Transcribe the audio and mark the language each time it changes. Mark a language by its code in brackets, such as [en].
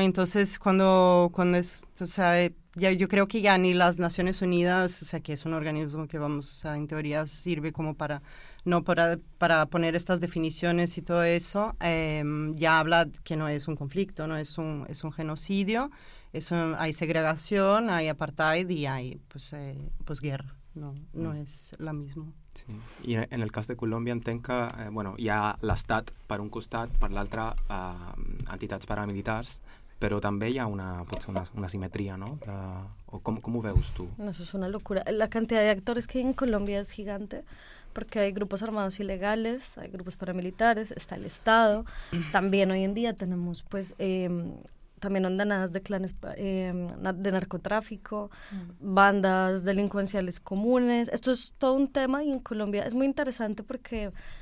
[es] Entonces, cuando es, o sea, ya, yo creo que ya ni las Naciones Unidas, o sea, que es un organismo que vamos, o sea, en teoría sirve como para, no, para poner estas definiciones y todo eso, ya habla que no es un conflicto, ¿no? Es un genocidio, hay segregación, hay apartheid y hay, pues guerra, ¿no? No es la misma. [ca] Sí. I en el cas de Colòmbia entenc que bueno, hi ha l'Estat per un costat, per l'altre entitats paramilitars, però també hi ha una simetria, no? Com ho veus tu? [es] No, eso es una locura. La cantidad de actores que hay en Colombia es gigante, porque hay grupos armados ilegales, hay grupos paramilitares, está el Estado. También hoy en día tenemos, pues, también andanadas de clanes de narcotráfico, bandas delincuenciales comunes. Esto es todo un tema y en Colombia es muy interesante porque